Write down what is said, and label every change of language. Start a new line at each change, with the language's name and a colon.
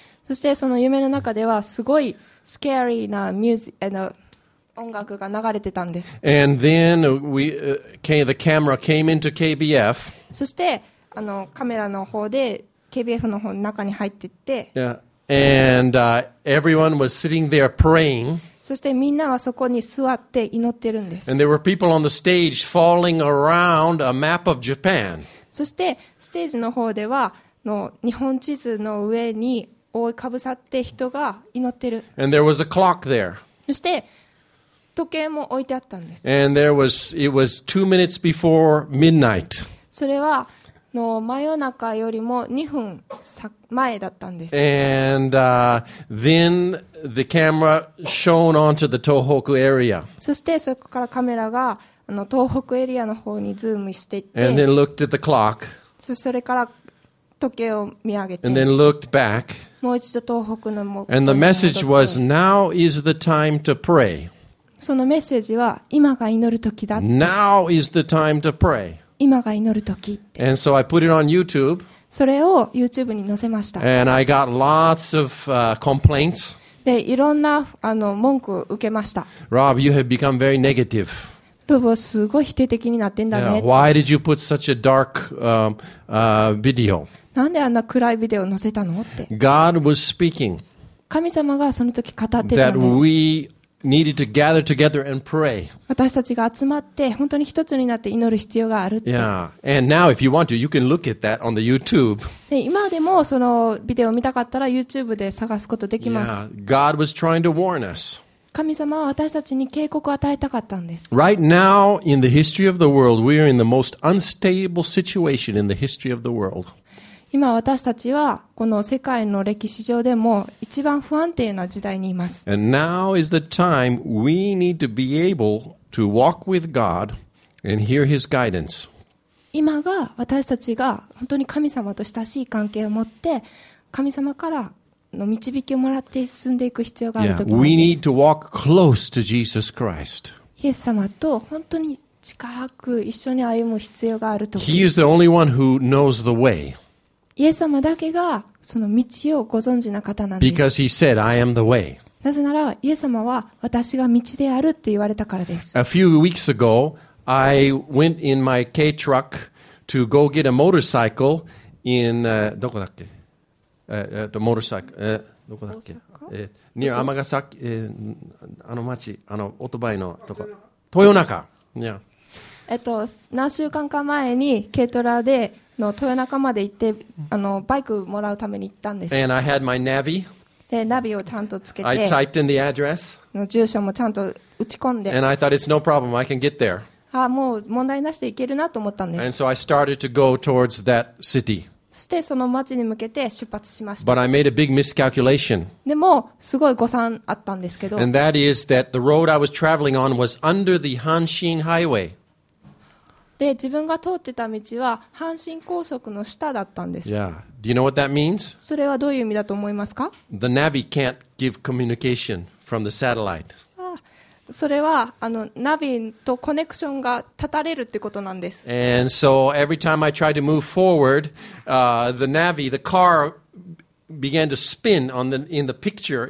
Japanese: そしてその夢の中ではすごいスケーリーなミュージック音楽が流れてたんです。
English: And then the camera came into KBF.
Japanese: そしてカメラの方で KBF の方の中に入ってって。
English: Yeah. And everyone was sitting there praying.
Japanese: そしてみんなはそこに座って祈ってるんです。
English: And there were people on the stage falling around a map of Japan.
Japanese: そしてステージの方では日本地図の上に覆いかぶさって人が祈ってる。
English: And there was a clock there.
Japanese: そして時計も置いてあったんです。
English: And it was 2 minutes before midnight.
Japanese: それは真夜中よりも2分前だったんです。
English: And then the camera shone onto the Tohoku area.
Japanese: そしてそこからカメラが東北エリアの方にズームしていって。
English: And then looked at the clock. それから時計を見上げて。 And then looked back.
Japanese: もう一度東北の元に戻って。
English: And the message was, now is the time to pray.
Japanese: そのメッセージは、今が祈る時だ。
English: Now is the time to pray.
Japanese: 今が祈る時。
English: And so I put it on YouTube.
Japanese: それを YouTube に載せました。
English: And I got lots of complaints.
Japanese: で、いろんな文句を受けました。
English: Rob, you have become very negative.
Japanese: ロボすごい否定的になってんだね。
English: Yeah. Why did you put such a dark video?
Japanese: なんであんな暗いビデオを載せたのって。
English: God was speaking.
Japanese: 神様がその時語ってたんです。
English: That we needed to gather together and pray.
Japanese: 私たちが集まって本当に一つになって祈る必要があるって。
English: Yeah. And now, if you want to, you can look at that on the YouTube.
Japanese: で今でもそのビデオを見たかったら YouTube で探すことできます。
English: Yeah. God was trying to warn us.
Japanese: 神様は私たちに警告を与えたかったんです。
English: Right now, in the history of the world, we are in the most unstable situation in the history of the world.
Japanese: 今私たちはこの世界の歴史上でも一番不安定な時代にいます。
English: And now is the time we need to be able to walk with God and hear His guidance.
Japanese: 今が私たちが本当に神様と親しい関係を持って神様からの導きをもらって進んでいく必要がある時です。
English: Yeah, we need to walk close to Jesus Christ.
Japanese: イエス様と本当に近く一緒に歩む必要がある時。
English: He is the only one who knows the way.
Japanese: イエス様だけがその道をご存知な方なんです。
English: Because he said, I am the way.
Japanese: なぜならイエス様は私が道であるって言われたからです。
English: A few weeks ago, I went in my K truck to go get a motorcycle in,
Japanese: どこだっけ? モーサク、どこだっけ、ニューアマガサキ、あの町、あのオートバイのとこ、豊中、yeah. 何週間か前に軽トラでの豊中まで行って、バイクもらうために行ったんです。
English: And I had my navi.
Japanese: で、ナビをちゃんとつけて、
English: I typed in the address.
Japanese: の住所もちゃんと打ち込んで、
English: And I thought it's no problem, I can get there.
Japanese: あ、もう問題なしで行けるなと思ったんです。
English: And so I started to go towards that city.
Japanese: そしてその町に向けて出発しました。
English: But I made a big miscalculation.
Japanese: でもすごい誤算あったんですけど。
English: And that is that the road I was traveling on was under the Hanshin Highway.
Japanese: で自分が通ってた道は阪神高速の下だったんです。
English: Yeah. Do you know what that means?
Japanese: それはどういう意味だと思いますか?
English: The navi can't give communication from the satellite.
Japanese: それはナビとコネクションが断たれるってことなんです。
English: And so every time I tried to move forward, the navi, the car began to spin on the in the picture.